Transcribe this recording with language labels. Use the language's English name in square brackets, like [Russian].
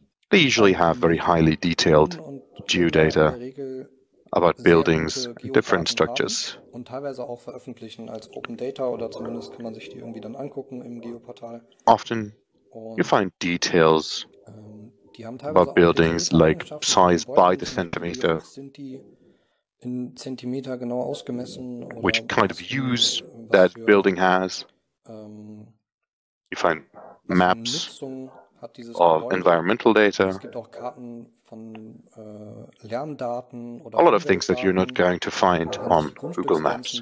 [English] They usually have very highly detailed geodata about buildings and different structures. [German] Und teilweise auch veröffentlichen als Open Data oder zumindest kann man sich die irgendwie dann angucken im Geoportal. [English] Often you find details about buildings like size by the centimeter, [German] sind die in Zentimeter genau ausgemessen, [English] which kind of use that building has. You find maps of environmental data, a lot of things that you're not going to find on Google Maps.